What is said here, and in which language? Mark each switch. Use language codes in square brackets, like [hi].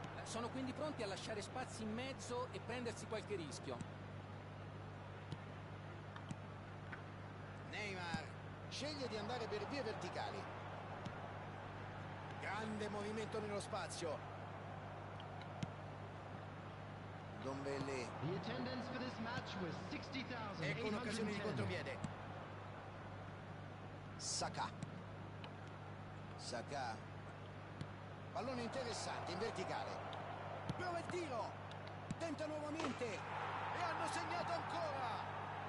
[it] Sono quindi pronti a lasciare spazi in mezzo e prendersi qualche rischio. Neymar sceglie di andare per vie verticali. Grande movimento nello spazio. Dombelle. [en] The attendance for this match was 60,810. [it] Ecco un'occasione di contropiede. Saka. Saka. Pallone interessante in verticale. Prova il tiro. Tenta nuovamente. E hanno segnato ancora.